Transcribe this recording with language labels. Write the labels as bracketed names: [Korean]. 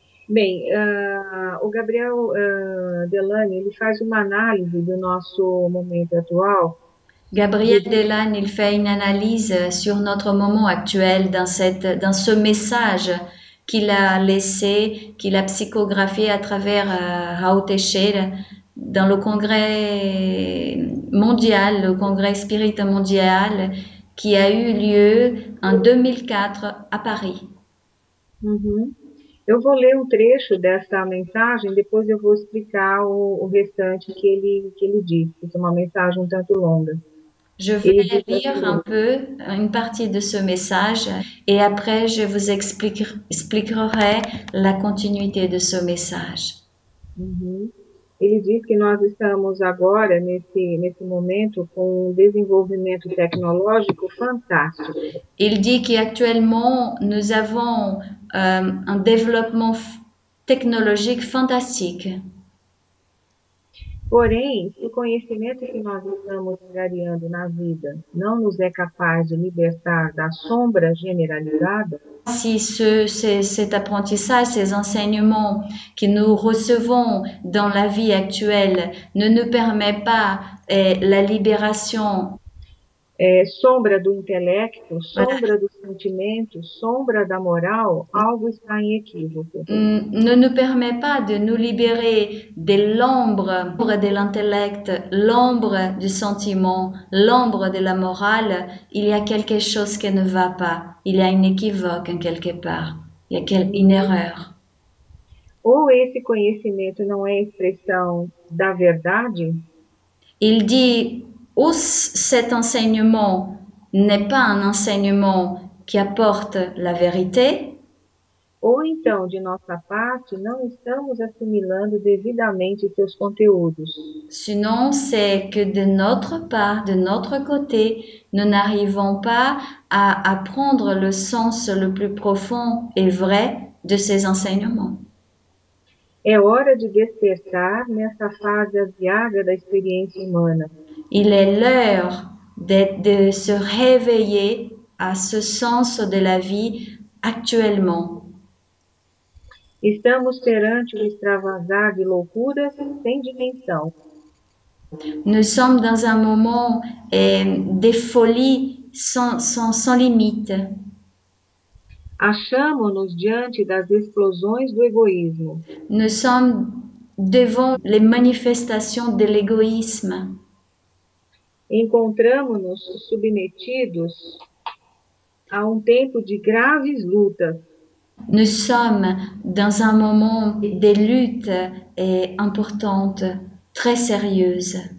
[Portuguese] Bem, o Gabriel Delany, ele faz uma análise do nosso momento atual. [French] Gabriel Delanne, il fait une analyse sur notre moment actuel dans ce message qu'il a laissé, qu'il a psychographié à travers Rao Teixeira dans le congrès mondial, le congrès spirite mondial qui a eu lieu en 2004 à Paris. [Portuguese] Eu vou ler um trecho dessa mensagem, depois eu vou explicar o restante que ele disse. Isso é uma mensagem um tanto longa. [French] Je vais [Portuguese] Ele diz [French] lire un [Portuguese] assim: [French] peu une partie de ce message et après je vous expliquerai la continuité de ce message. [Portuguese] Ele diz que nós estamos agora, nesse momento, com um desenvolvimento tecnológico fantástico. [French] Il dit qu'actuellement nous avons un développement technologique fantastique. [Portuguese] Porém, se o conhecimento que nós estamos angariando na vida não nos é capaz de libertar da sombra generalizada, [French] Si cet apprentissage, ces enseignements que nous recevons dans la vie actuelle ne nous permet pas la libération, [Portuguese] sombra do intelecto, sombra do sentimento, sombra da moral, algo está em equívoco. [French] ne nous permet pas de nous libérer de l'ombre de l'intellect, l'ombre du sentiment, l'ombre de la morale, il y a quelque chose qui ne va pas. Il y a un équivoque en quelque part, il y a une erreur. [Portuguese] Ou esse conhecimento não é expressão da verdade? [French] Il dit, ou cet enseignement n'est pas un enseignement qui apporte la vérité, [Portuguese] Ou então, de nossa parte, não estamos assimilando devidamente seus conteúdos. [French] sinon c'est que de notre part, de notre côté, nous n'arrivons pas à apprendre le sens le plus profond et vrai de ces enseignements. [Portuguese] É hora de despertar nessa fase aviaga da experiência humana. [French] Il est l'heure de se réveiller à ce sens de la vie actuellement. [Portuguese] Estamos perante o extravasar de loucuras sem dimensão. [French] Nous sommes dans un moment de folie sans limite. [Portuguese] Achamos-nos diante das explosões do egoísmo. [French] Nous sommes devant les manifestations de l'égoïsme. [Portuguese] Encontramos-nos submetidos a tempo de graves lutas. [French] Nous sommes dans un moment de lutte importante, très sérieuse.